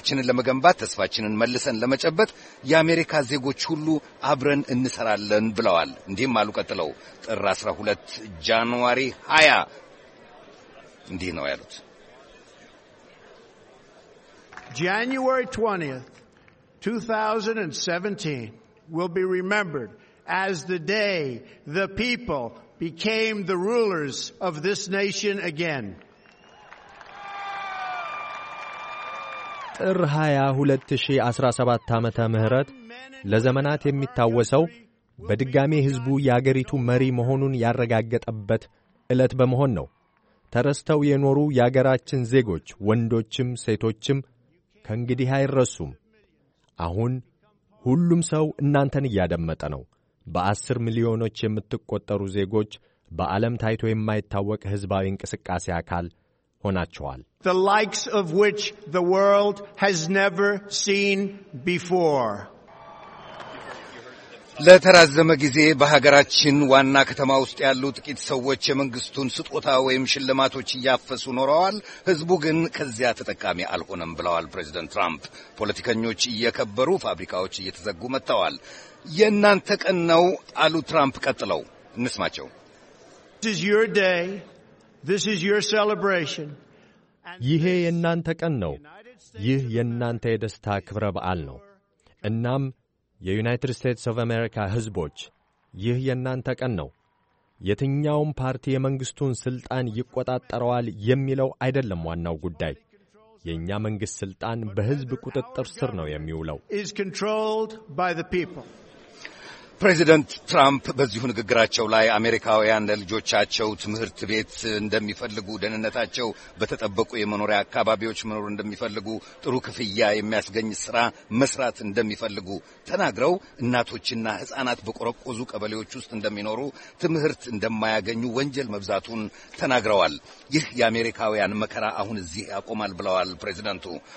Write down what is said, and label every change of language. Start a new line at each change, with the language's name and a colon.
Amharic: ለመገንባት ተስፋችንን መልሰን ለመጨበጥ የአሜሪካ ዜጎች ሁሉ አብረን እንሰራለን ብለዋል። እንዲህም አሉ ቀጥለው ጥር 12 ጃንዋሪ 20 እንዲህ ነው ያሉት።
English: January 20th, 2017 will be remembered as the day the people became the rulers of this nation again.
Amharic: ጥር 22017 ዓመተ ምህረት ለዘመናት የሚታወሰው በድጋሚ ህዝቡ ያገሪቱ መሪ መሆኑን ያረጋገጠበት ዕለት በመሆን ነው። ተረስተው የኖሩ ያገራችን ዜጎች ወንዶችም ሴቶችም ከንግዲህ አይረሱም። አሁን ሁሉም ሰው እናንተን ያደመጠ ነው። በአስር ሚሊዮኖች የምትቆጠሩ ዜጎች በዓለም ታይቶ የማይታወቅ ህዝባዊ እንቅስቃሴ አካል ሆናችኋል።
English: The likes of which the world has never seen before.
Amharic: ለተራዘመ ጊዜ በሀገራችን ዋና ከተማ ውስጥ ያሉ ጥቂት ሰዎች የመንግስቱን ስጦታ ወይም ሽልማቶች ያፈሱ ኖረዋል። ህዝቡ ግን ከዚያ ተጠቃሚ አልሆነም ብለዋል ፕሬዚደንት ትራምፕ። ፖለቲከኞች እየከበሩ ፋብሪካዎች እየተዘጉ መጥተዋል። የናንተ ቀን ነው አሉ ትራምፕ ቀጥለው እንስማቸው።
English: This is your day. This is your celebration.
Amharic: ይሄ የናንተ ቀን ነው። ይህ የናንተ የደስታ ክብረ በዓል ነው። እናም የዩናይትድ ስቴትስ ኦፍ አሜሪካ ህዝቦች ይህ የናንተ ቀን ነው። የትኛውም ፓርቲ የመንግስቱን ስልጣን ይቆጣጣራዋል የሚለው አይደለም ዋናው ጉዳይ። የኛ መንግስት ስልጣን በህዝብ ቁጥጥር ስር ነው የሚውለው።
English: Is controlled by the people.
Amharic: ፕሬዚደንት ትራምፕ በዚሁ ንግግራቸው ላይ አሜሪካውያን ለልጆቻቸው ትምህርት ቤት እንደሚፈልጉ፣ ደህንነታቸው በተጠበቁ የመኖሪያ አካባቢዎች መኖር እንደሚፈልጉ፣ ጥሩ ክፍያ የሚያስገኝ ሥራ መስራት እንደሚፈልጉ ተናግረው እናቶችና ሕፃናት በቆረቆዙ ቀበሌዎች ውስጥ እንደሚኖሩ፣ ትምህርት እንደማያገኙ፣ ወንጀል መብዛቱን ተናግረዋል። ይህ የአሜሪካውያን መከራ አሁን እዚህ ያቆማል ብለዋል ፕሬዚደንቱ።